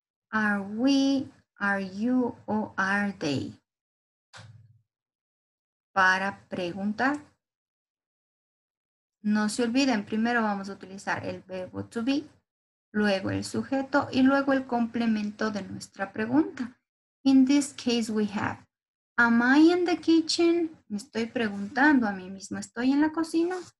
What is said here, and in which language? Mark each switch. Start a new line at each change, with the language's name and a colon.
English: Are we? Are you or are they?
Spanish: Para preguntar. No se olviden, primero vamos a utilizar el verbo to be, luego el sujeto y luego el complemento de nuestra pregunta.
English: In this case we have, am I in the kitchen?
Spanish: Me estoy preguntando a mí misma, ¿estoy en la cocina?